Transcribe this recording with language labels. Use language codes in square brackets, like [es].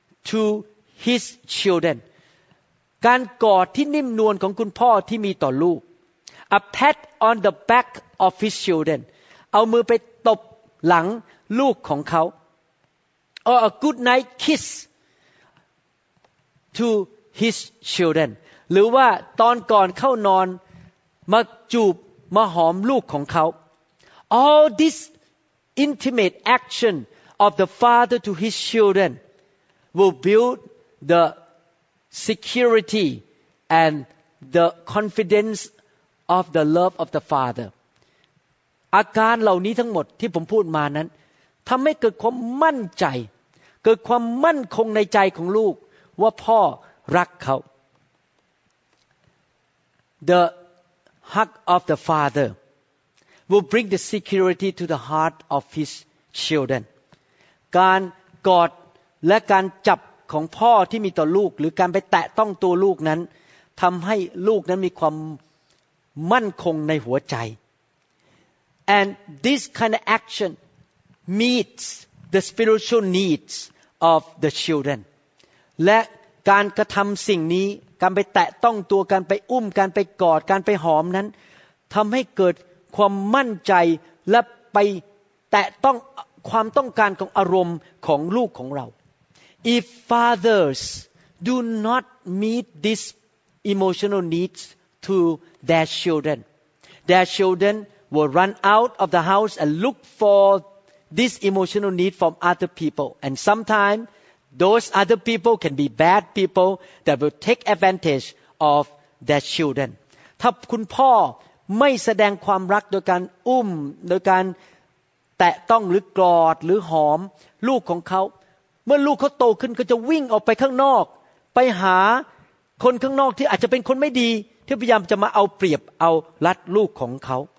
[en] to his children, [th] การกอดที่นิ่มนวลของคุณพ่อที่มีต่อลูก [en] A pat on the back of his children, [th] เอามือไปตบหลังลูกของเขา [en] Or a good night kiss. To his children, [th] หรือว่าตอนก่อนเข้านอนมาจูบมาหอมลูกของเขา [en] All this intimate action of the father to his children will build the security and the confidence of the love of the father. [th] อาการเหล่านี้ทั้งหมดที่ผมพูดมานั้นทำให้เกิดความมั่นใจเกิดความมั่นคงในใจของลูกว่าพ่อรักเขา [en] The hug of the father will bring the security to the heart of his children. [th] การกอดและการจับของพ่อที่มีต่อลูกหรือการไปแตะต้องตัวลูกนั้นทำให้ลูกนั้นมีความมั่นคงในหัวใจ [en] And this kind of action meets the spiritual needs of the children. [th] และการกระทำสิ่งนี้การไปแตะต้องตัวการไปอุ้มการไปกอดการไปหอมนั้นทำให้เกิดความมั่นใจและไปแตะต้องความต้องการของอารมณ์ของลูกของเรา [en] If fathers do not meet these emotional needs to their children. Their children will run out of the house and look for this emotional need from other people. And sometimes those other people can be bad people that will take advantage of their children. [th] ถ้าคุณพ่อไม่แสดงความรักโดยการอุ้มโดยการแตะต้องหรือกอดหรือหอมลูกของเขาเมื่อลูกเขาโตขึ้นก็จะวิ่งออกไปข้างนอกไปหาคนข้างนอกที่อาจจะเป็นคนไม่ดีที่พยายามจะมาเอาเปรียบเอารัดลูกของเขา